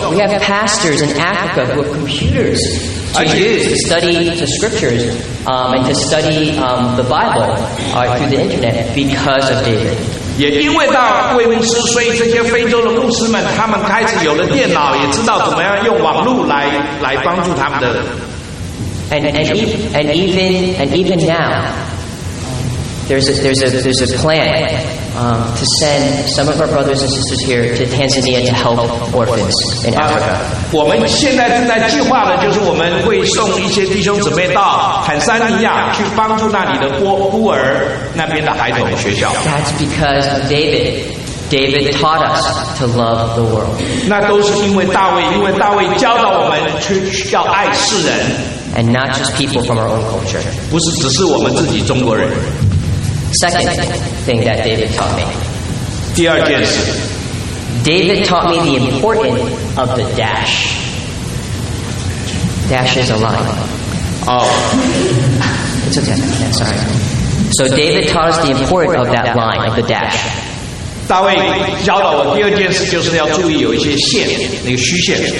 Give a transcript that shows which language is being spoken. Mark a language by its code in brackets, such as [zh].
[en] We have pastors in Africa who have computers to use to study the scriptures and to study the Bible through the internet because of David. [zh] 也因为到卫牧师，所以这些非洲的牧师们，他们开始有了电脑，也知道怎么样用网络来帮助他们的。 [en] And even now, there's a plan to send some of our brothers and sisters here to Tanzania to help orphans in Africa. [zh] 我们现在正在计划的就是我们会送一些弟兄姊妹到坦桑尼亚去帮助那里的孤儿。 [en] That's because of David. David taught us to love the world. [zh] 那都是因为大卫，因为大卫教导我们去要爱世人。 [en] And not just people from our own culture. [zh] 不是只是我们自己中国人。 [en] Second thing that David taught me. [zh] 第二件事。 [en] David taught me the importance of the dash. Dash is a line. Oh. It's okay. Yeah, sorry. So David taught us the importance of that line, of the dash. [zh] 大卫教导我第二件事就是要注意有一些线，那个虚线。